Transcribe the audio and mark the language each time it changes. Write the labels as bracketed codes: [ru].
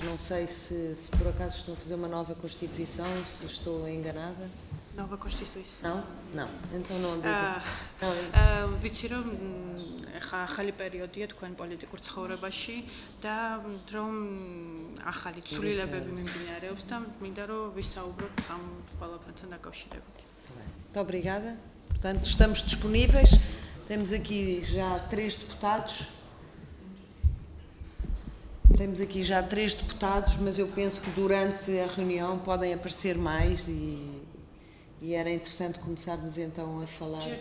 [pt] Não sei se por acaso estão a fazer uma nova Constituição, se estou enganada. Nova Constituição? Não. Então não digo. [ka] Vitsiro, ახალი პერიოდია თქვენ პოლიტიკურ ცხოვრებაში და რომ ახალი ცვლილებები მიმდინარეობს და მინდა რომ ვისაუბროთ ამ ყველაფერთან დაკავშირებით. [pt] Muito obrigada. Portanto, estamos disponíveis. Temos aqui já três deputados. Temos aqui já três deputados, mas eu penso que durante a reunião podem aparecer mais e era interessante começarmos então a falar.